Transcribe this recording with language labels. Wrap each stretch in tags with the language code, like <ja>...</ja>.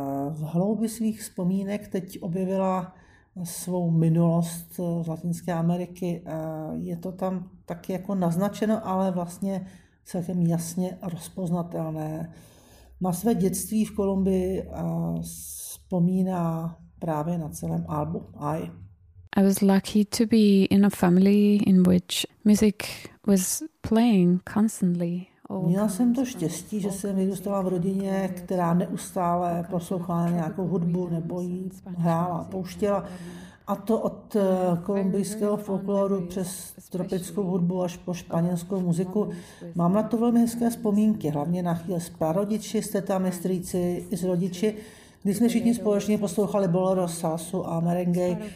<cs>V hloubi svých vzpomínek teď objevila svou minulost z Latinské Ameriky. Je to tam taky jako naznačeno, ale vlastně celkem jasně rozpoznatelné. Na své dětství v Kolumbii vzpomíná právě na celém albu I.</cs> <en>I was lucky to be in a family in which music was playing constantly.</en> <cs>Měla jsem to štěstí, že jsem vyrůstala v rodině, která neustále poslouchala nějakou hudbu nebo ji hrála, pouštěla. A to od kolumbijského folkloru přes tropickou hudbu až po španělskou muziku. Mám na to velmi hezké vzpomínky, hlavně na chvíli s prarodiči, s tetami, strýci i s rodiči, kdy jsme všichni společně poslouchali bolero, salsu a merengue.</cs>